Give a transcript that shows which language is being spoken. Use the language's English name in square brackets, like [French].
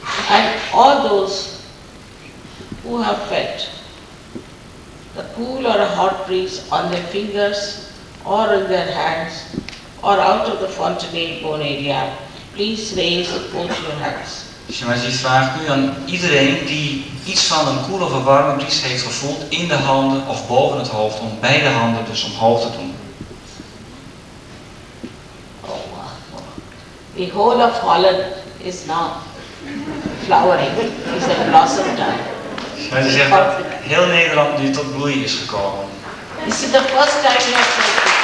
[English] And all those who have felt the cool or a hot breeze on their fingers or in their hands or out of the fontanel bone area, please raise both your hands. [Dutch] Shimaji vraagt nu aan iedereen die iets van een koele of een warme bries heeft gevoeld in de handen of boven het hoofd om beide handen dus omhoog te doen. [English] Oh, the whole of Holland is now flowering. It's a blossom time. [Dutch] Shimaji zegt dat heel Nederland nu tot bloei is gekomen. [English] This is the first time you have felt.